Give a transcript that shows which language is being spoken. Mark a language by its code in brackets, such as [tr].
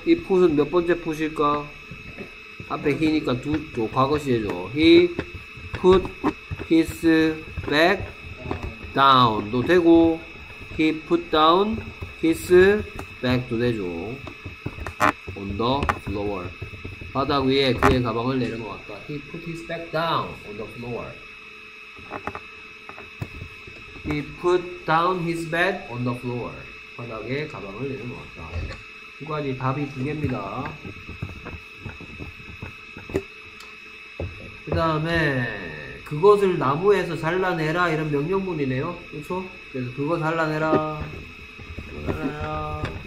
[ko] 이 put은 몇 번째 put일까? 앞에 he니까 두, 저, 과거 시제죠. [en] he put his bag down도 되고 he put down his bag도 되죠. on the floor. [ko] 바닥 위에 그의 가방을 내려놓았다. [en] He put his bag down on the floor. He put down his bag on the floor. [ko] 바닥에 가방을 내려놓았다. 두 가지 답이 두 개입니다. 그 다음에 그것을 나무에서 잘라내라 이런 명령문이네요. 그렇죠? 그래서 그거 잘라내라. 잘라내라.